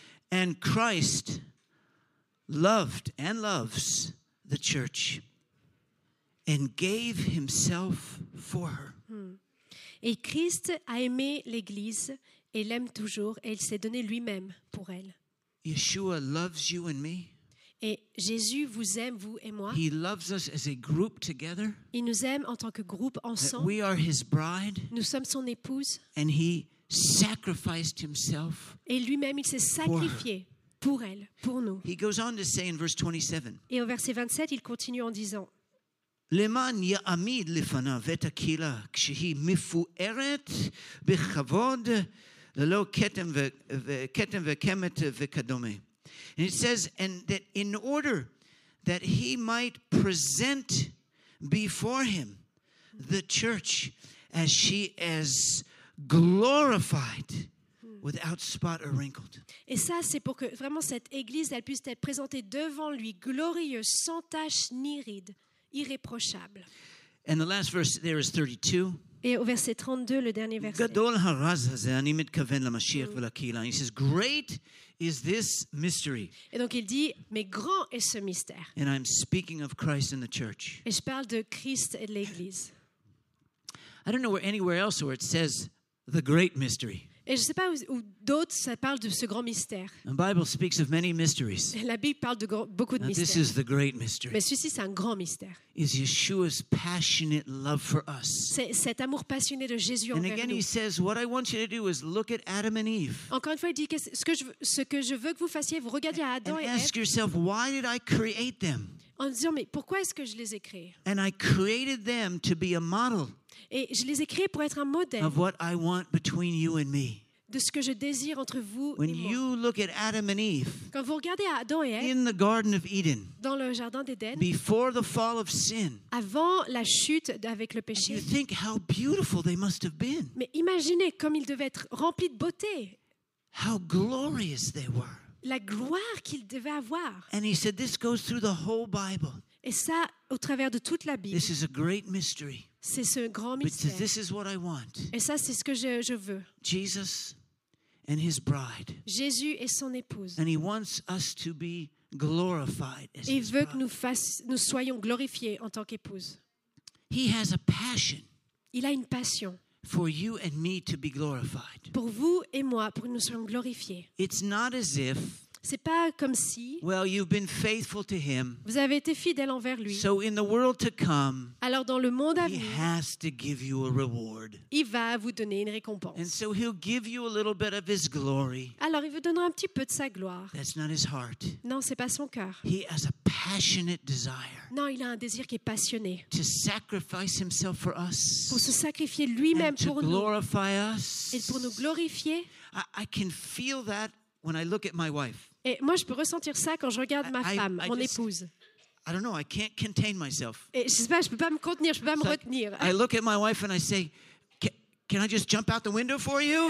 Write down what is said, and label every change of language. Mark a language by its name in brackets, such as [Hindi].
[English] And Christ loved and loves the church and gave himself for her. [French] Et Christ a aimé l'Église. Il l'aime toujours et il s'est donné lui-même pour elle. [English] Yeshua loves you and me. [French] Et Jésus vous aime, vous et moi. [English] He loves us as a group together. [French] Il nous aime en tant que groupe ensemble. [English] We are his bride. [French] Nous sommes son épouse. [English] And he sacrificed himself. [French] Et lui-même, il s'est sacrifié pour elle, pour nous. [English] He goes on to say in verse 27. [French] Et au verset 27, il continue en disant. [Hebrew] Leman ya'amid lefanav et hakila kshehi mifu'eret bechavod. [English] And it says, and that in order that he might present before him the church as she is glorified without spot or wrinkle. [French] Et ça, c'est pour que vraiment cette église, elle puisse être présentée devant lui, glorieuse, sans tache ni ride, irréprochable. [English] And the last verse there is 32. [French] Et au verset 32, le dernier verset. [Hebrew] Gadol haraz hazeh, ani mitkaven l'Mashiach v'lakila. [English] He says, great is this mystery. [French] Et donc il dit, mais grand est ce mystère. [English] And I'm speaking of Christ and the church. [French] Et je parle de Christ et de l'Église. [English] I don't know where anywhere else where it says the great mystery. [French] Et je ne sais pas où d'autres ça parle de ce grand mystère. [English] The Bible speaks of many mysteries. [French] La Bible parle de beaucoup de [English] Now, [French] mystères. [English] This is the great mystery. [French] Mais celui-ci, c'est un grand mystère. [English] Is Yeshua's passionate love for us. [French] C'est cet amour passionné de Jésus envers nous. [English] And again, he says, what I want you to do is look at Adam and Eve. [French] Encore une fois, il dit, ce que je veux que vous fassiez, vous regardiez à Adam et Ève. [English] And ask yourself, why did I create them? [French] En disant, mais pourquoi est-ce que je les ai créés? [English] And I created them to be a model. [French] Et je les ai créés pour être un modèle [English] of what I want between you and me. [French] De ce que je désire entre vous [English] when [French] et moi. [English] You look at Adam and Eve, [French] quand vous regardez à Adam et Ève, [English] in the Garden of Eden, [French] dans le jardin d'Éden, [English] before the fall of sin, [French] avant la chute avec le péché, [English] you think how beautiful they must have been. [French] Mais imaginez comme ils devaient être remplis de beauté. [English] How glorious they were. [French] La gloire qu'ils devaient avoir. [English] And he said, this goes through the whole Bible. [French] Et ça, au travers de toute la Bible. [English] This is a great mystery. [French] C'est ce grand mystère. [English] But this is what I want. [French] Et ça, c'est ce que je veux. [English] Jesus and his bride. [French] Jésus et son épouse. [English] And he wants us to be glorified as his bride. [French] Il veut que nous soyons glorifiés en tant qu'épouse. [English] He has a passion. [French] Il a une passion. [English] For you and me to be glorified. [French] Pour vous et moi, pour que nous soyons glorifiés. [English] It's not as if. [French] C'est pas comme si. [English] Well, you've been faithful to him. [French] Vous avez été fidèle envers lui. [English] So in the world to come. [French] Alors dans le monde à venir. [English] He has to give you a reward. [French] Il va vous donner une récompense. [English] And so he'll give you a little bit of his glory. [French] Alors il vous donnera un petit peu de sa gloire. [English] That's not his heart. [French] Non, c'est pas son cœur. [English] He has a passionate desire. [French] Non, il a un désir qui est passionné. [English] To sacrifice himself for us. [French] Pour se sacrifier lui-même pour nous. [English] To glorify us. [French] Et pour nous glorifier. [English] I can feel that when I look at my wife. [French] Et moi, je peux ressentir ça quand je regarde ma femme, mon épouse. [English] I don't know, I can't contain myself. [French] Et je ne sais pas, je ne peux pas me contenir, je ne peux pas me retenir. [English] I look at my wife and I say, can I just jump out the window for you?